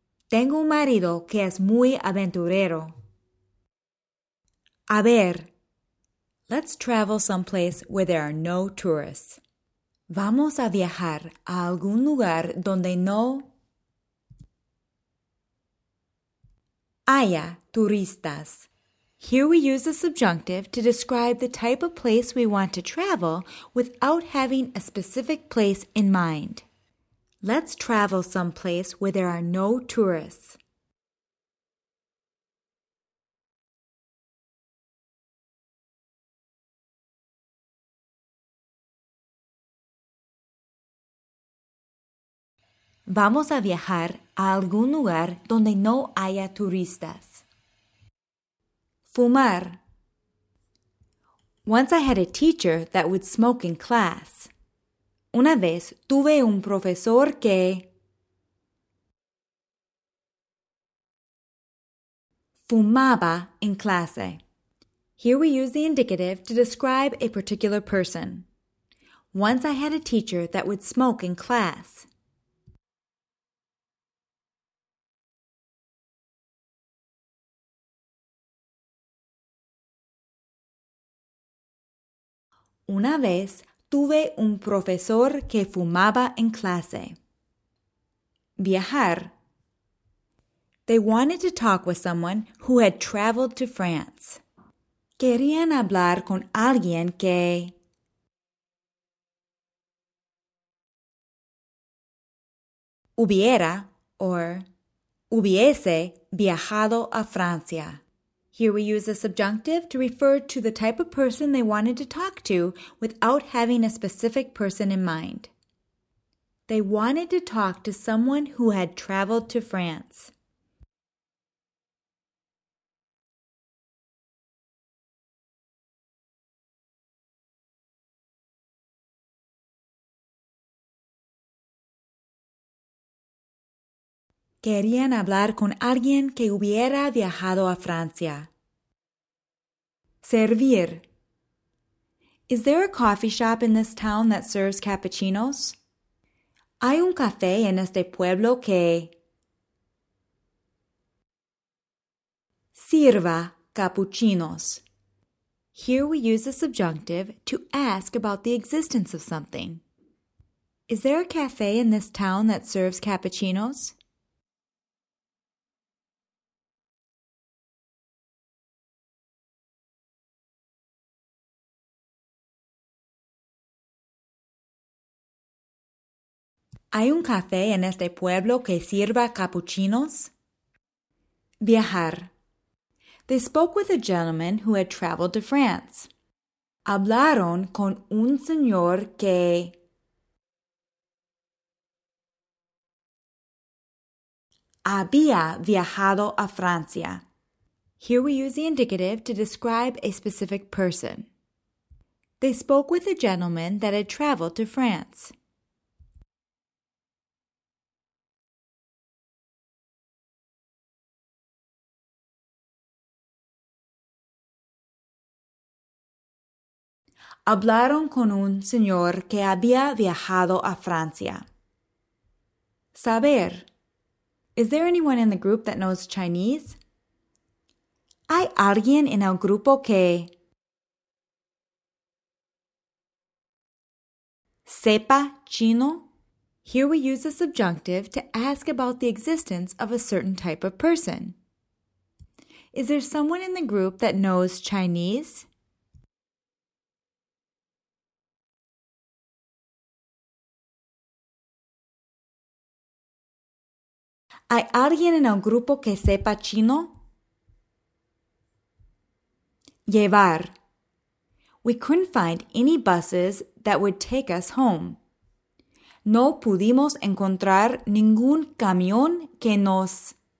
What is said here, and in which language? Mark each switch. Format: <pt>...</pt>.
<es>Tengo un marido que es muy aventurero. A ver.</es> <en>Let's travel someplace where there are no tourists.</en> <es>Vamos a viajar a algún lugar donde no haya turistas.</es> <en>Here we use the subjunctive to describe the type of place we want to travel without having a specific place in mind. Let's travel someplace where there are no tourists.</en> <es>Vamos a viajar a algún lugar donde no haya turistas. Fumar.</es> <en>Once I had a teacher that would smoke in class.</en> <es>Una vez tuve un profesor que fumaba en clase.</es> <en>Here we use the indicative to describe a particular person. Once I had a teacher that would smoke in class.</en> <es>Una vez tuve un profesor que fumaba en clase. Viajar.</es> <en>They wanted to talk with someone who had traveled to France.</en> <es>Querían hablar con alguien que hubiera or hubiese viajado a Francia.</es> <en>Here we use a subjunctive to refer to the type of person they wanted to talk to without having a specific person in mind. They wanted to talk to someone who had traveled to France.</en> <es>Querían hablar con alguien que hubiera viajado a Francia. Servir.</es> <en>Is there a coffee shop in this town that serves cappuccinos?</en> <es>¿Hay un café en este pueblo que... sirva cappuccinos?</es> <en>Here we use the subjunctive to ask about the existence of something. Is there a café in this town that serves cappuccinos?</en> <es>¿Hay un café en este pueblo que sirva cappuccinos? Viajar.</es> <en>They spoke with a gentleman who had traveled to France.</en> <es>Hablaron con un señor que... había viajado a Francia.</es> <en>Here we use the indicative to describe a specific person. They spoke with a gentleman that had traveled to France.</en> <es>Hablaron con un señor que había viajado a Francia. Saber.</es> <en>Is there anyone in the group that knows Chinese?</en> <es>¿Hay alguien en el grupo que... sepa chino?</es> <en>Here we use a subjunctive to ask about the existence of a certain type of person. Is there someone in the group that knows Chinese?</en> <es>¿Hay alguien en el grupo que sepa chino? Llevar.</es> <en>We couldn't find any buses that would take us home.</en> <es>No pudimos encontrar ningún camión que nos...</es>